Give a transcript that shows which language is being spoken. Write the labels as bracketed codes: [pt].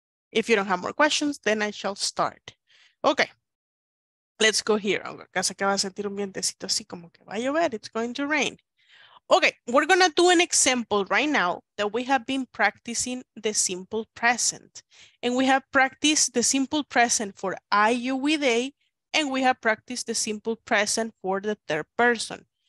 [en] If you don't have more questions, then I shall start. Okay. Let's go here. [es] Acá se acaba de sentir un vientecito así como que va a llover. [en] It's going to rain. Okay, we're going to do an example right now that we have been practicing the simple present. And we have practiced the simple present for I, you, we, they. And we have practiced the simple present for the third person.